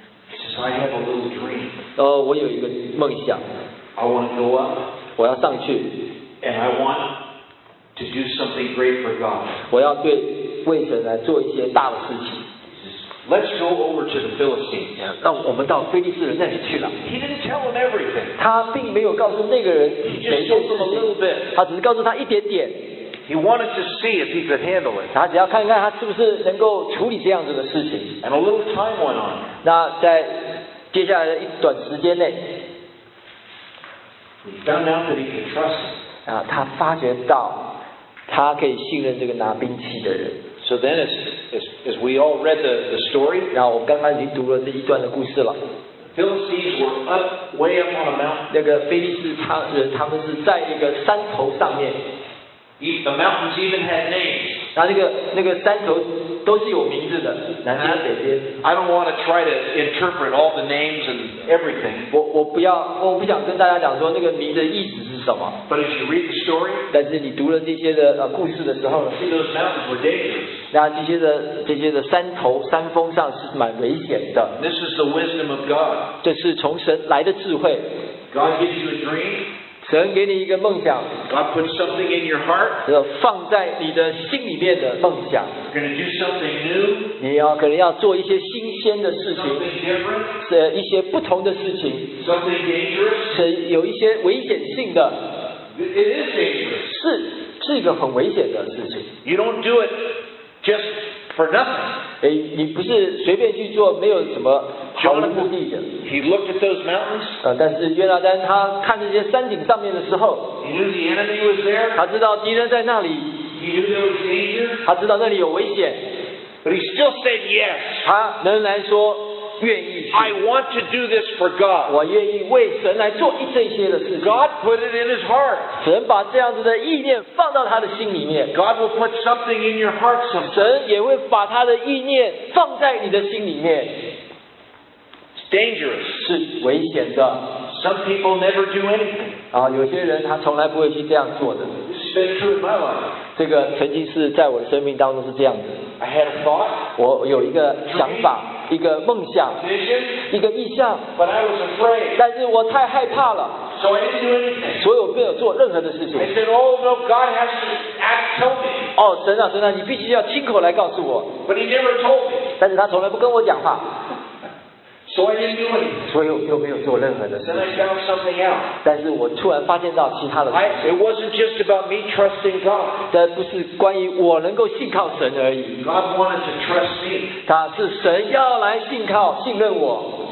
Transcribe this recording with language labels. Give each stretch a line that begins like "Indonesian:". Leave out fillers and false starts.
English: He says, I have a little dream.
Chinese: 我有一个梦想。
English: I want to go up.
Chinese: 我要上去。
English: And I want to do something great for God.
Chinese: 我要对为神来做一些大的事情。
English: Let's go over to the Philistines.
Chinese: 那我们到非利士人那里去了。
English: He didn't tell them everything.
Chinese: 他并没有告诉那个人每一件事情。
English: He just told them a little bit.
Chinese: 他只是告诉他一点点。
English: He wanted to see if he could handle it.
Chinese: 他只要看看他是不是能够处理这样子的事情。
English: And a little time went on.
Chinese: 那在接下来的一段时间内，
English: he found out that he could trust him.
Chinese: 啊，他发觉到他可以信任这个拿兵器的人。
English: So then, as we all read the story,
Chinese: 然后我刚刚已经读了这一段的故事了。
English: Philistines were up way up on a mountain.
Chinese: 那个非利士他们是在一个山头上面。
English: The mountains even had names.
Chinese: 然后那个山头都是有名字的，南边北边。
English: I don't want to try to interpret all the names and everything.
Chinese: 我不想跟大家讲说那个名的意思是什么。
English: But as you read the story,
Chinese: 但是你读了这些的故事的时候
English: ，see those mountains were dangerous.
Chinese: 那这些的山头山峰上是蛮危险的。
English: This is the wisdom of God.
Chinese: 这是从神来的智慧。
English: God gives you a dream.
Chinese: 神给你一个梦想，
English: God put something in your heart,
Chinese: 放在你的心里面的梦想。
English: You're gonna do something new,
Chinese: 你要可能要做一些新鲜的事情，
English: something different,
Chinese: 是一些不同的事情，
English: something dangerous,
Chinese: 是有一些危险性的。
English: It is dangerous.
Chinese: 是一个很危险的事情。
English: You don't do it just for nothing.
Chinese: 你不是随便去做，没有什么。
English: Jonathan, he looked at those mountains.
Chinese: 但是约拿丹他看这些山顶上面的时候，
English: he knew the enemy was there.
Chinese: 他知道敌人在那里，
English: he knew there was danger.
Chinese: 他知道那里有危险，
English: but he still said yes.
Chinese: 他仍然说愿意去。
English: I want to do this for God.
Chinese: 我愿意为神来做这些的事情。
English: God put it in his heart.
Chinese: 神把这样子的意念放到他的心里面。
English: God will put something in your heart sometime.
Chinese: 神也会把他的意念放在你的心里面。
English: Dangerous.
Chinese: 是危险的。
English: Some people never do anything.
Chinese: 有些人他从来不会去这样做的。
English: This has been true in my life.
Chinese: 这个曾经是在我的生命当中是这样子。
English: I had a thought.
Chinese: 我有一个想法，一个梦想，
English: vision,
Chinese: 一个意向。
English: But I was afraid.
Chinese: 但是我太害怕了。
English: So I didn't do anything.
Chinese: 所以我没有做任何的事情。
English: I said, Oh no, God has to act. Tell me.
Chinese: 神啊，你必须要亲口来告诉我。
English: But he never told me.
Chinese: 但是他从来不跟我讲话。
English: So I didn't do anything.
Chinese: 所以我又没有做任何的事情。
English: Then I found something else.
Chinese: 但是我突然发现到其他的事情。
English: It wasn't just about me trusting God.
Chinese: 这不是关于我能够信靠神而已。
English: God wanted to trust me.
Chinese: 他是神要来信靠信任我。